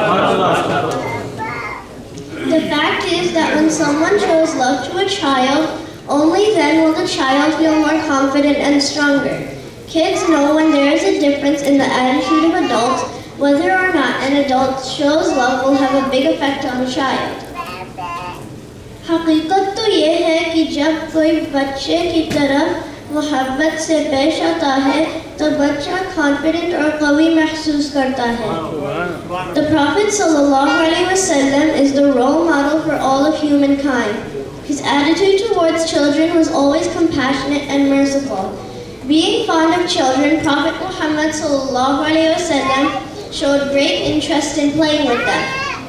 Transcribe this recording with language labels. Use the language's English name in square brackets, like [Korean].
[English] The fact is that when someone shows love to a child, only then will the child feel more confident and stronger. Kids know when there is a difference in the attitude of adults, whether or not an adult shows love will have a big effect on the child. [Urdu] حقیقت تو یہ ہے کہ جب کوئی بچے کی طرف محبت سے پیش آتا ہے تو بچہ confident اور قوی محسوس کرتا ہے. [English] The Prophet ﷺ is the role model for all of humankind. His attitude towards children was always compassionate and merciful. Being fond of children, Prophet Muhammad ﷺ showed great interest in playing with them.